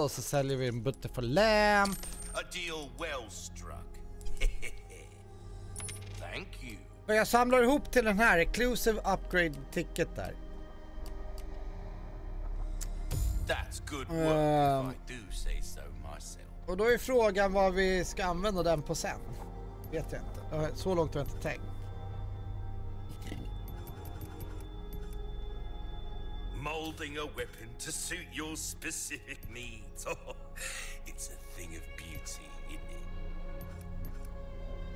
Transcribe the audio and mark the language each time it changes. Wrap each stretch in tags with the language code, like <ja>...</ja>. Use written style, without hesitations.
<sv>och så säljer vi en butterfly lamp.</sv> <en>A deal well struck. Thank you.</en> <sv>Men jag samlar ihop till den här exclusive upgrade ticket där.</sv> <en>That's good work, if I do say so myself.</en> <sv>Och då är frågan vad vi ska använda den på sen. Vet jag inte. Så långt har jag inte tänkt.</sv> <en>Molding a weapon to suit your specific needs. It's a thing of beauty, isn't it?</en>